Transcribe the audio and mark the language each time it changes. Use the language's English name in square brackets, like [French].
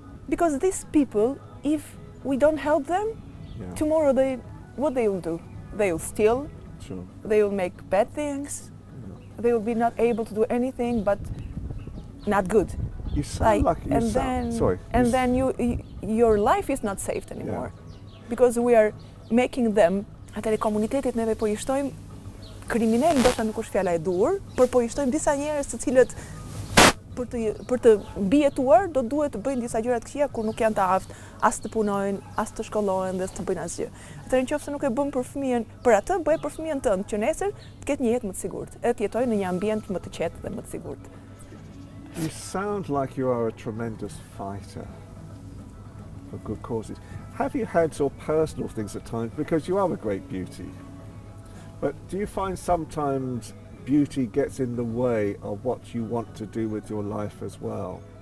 [English] Because these people, if we don't help them, yeah. tomorrow they, what they will do? They will steal, sure. They will make bad things, yeah. They will be not able to do anything, but not good. You sound like you and sound, sorry. And you then you, your life is not saved anymore. Yeah. Because we are making them, [Albanian] atëre komunitetit neve po I shtojmë kriminal, ndoshta nuk është fjala e dur, por po I shtojmë disa njerëz të cilët për të bijetuar do duhet të bëjnë disa gjëra të këqija kur nuk janë të aftë as të punojnë, as të shkollohen dhe as të bëjnë asgjë. Atëre nëse nuk e bën për fëmijën, për atë bëj për fëmijën tënd që nesër të ketë një jetë më të sigurt, të jetojë në një ambient më të qetë dhe më të sigurt. [English] You sound like you are a tremendous fighter for good causes. Have you had sort of personal things at times? Because you are a great beauty. But do you find sometimes beauty gets in the way of what you want to do with your life as well?